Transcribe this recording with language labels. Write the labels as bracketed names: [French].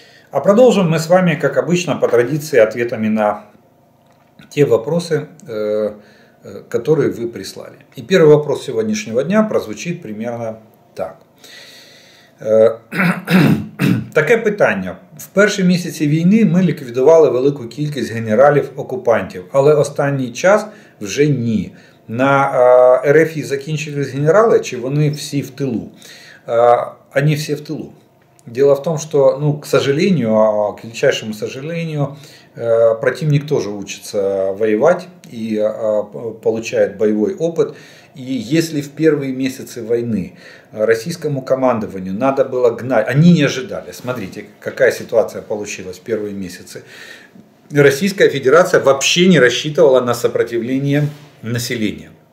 [Russian] А продолжим мы с вами, как обычно, по традиции, ответами на те вопросы, которые вы прислали. И первый вопрос сегодняшнего дня прозвучит примерно так. [Ukrainian] Таке питання. В перші місяці війни ми ліквідували велику кількість генералів-окупантів, але останній час вже ні. На РФ закінчились генерали, чи вони всі в тилу? Вони всі в тилу. [Russian] Дело в том, что, ну, к сожалению, к величайшему сожалению, противник тоже учится воевать и получает боевой опыт. И если в первые месяцы войны российскому командованию надо было гнать, они не ожидали, смотрите, какая ситуация получилась в первые месяцы, Российская Федерация вообще не рассчитывала на сопротивление населения.